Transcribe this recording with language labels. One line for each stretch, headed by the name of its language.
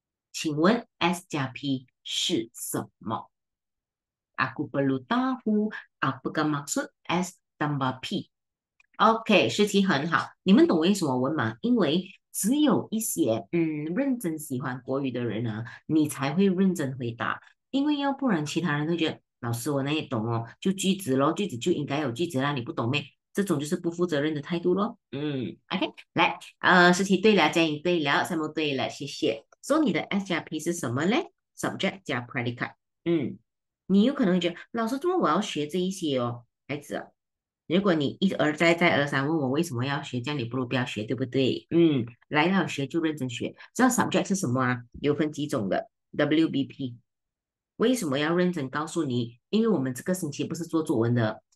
Chinese: 请问 S 加 P 是什么？
Malay: Aku perlu tahu apakah maksud S tambah P？
Chinese: OK，试题很好。你们懂为什么文盲？因为只有一些认真喜欢国语的人啊，你才会认真回答。因为要不然其他人会觉得老师我哪里懂哦，就句子咯，句子就应该有句子啦，你不懂咩？这种就是不负责任的态度咯。OK，来，试题对了，加音对了，什么对了？谢谢。 So 你的 S 加 P 是什么嘞？Subject 加 predicate。你有可能会觉得老师，怎么我要学这一些哦，孩子。如果你一而再再而三问我为什么要学，这样你不如不要学，对不对？来了学就认真学。知道 subject 是什么啊？有分几种的，WBP。为什么要认真告诉你？因为我们这个星期不是做作文的。